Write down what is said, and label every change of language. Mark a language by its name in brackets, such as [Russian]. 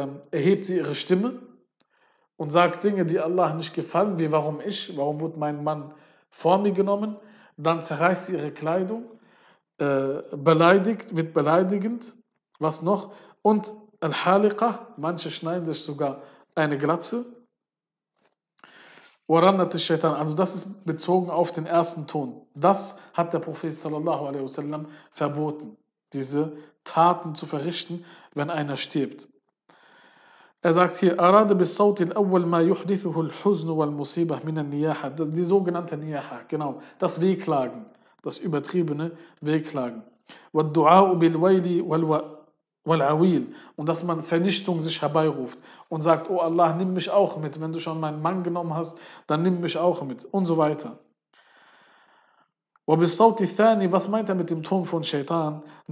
[German] erhebt sie ihre Stimme und sagt Dinge, die Allah nicht gefallen, wie warum ich, warum wurde mein Mann vor mir genommen, dann zerreißt sie ihre Kleidung, beleidigt, wird beleidigend, was noch, und Al-Haliqa, manche schneiden sich sogar eine Glatze, warannat al-Shaytan, also das ist bezogen auf den ersten Ton, das hat der Prophet sallallahu alaihi wasallam verboten, diese Taten zu verrichten, wenn einer stirbt. Er sagt hier, [Arabic] أراد بالصوت الأول ما يحدثه الحزن والمصيبة من النياحة, [German] die sogenannte Niyaha, genau, das Wehklagen, das übertriebene Wehklagen. [Arabic] والدعاء بالويل والعويل. [German] Und dass man Vernichtung sich herbeiruft und sagt: Oh Allah, nimm mich auch mit. Wenn du schon meinen Mann genommen hast, dann nimm mich auch mit. Und so weiter. Was meint er mit dem Ton von Shaitan?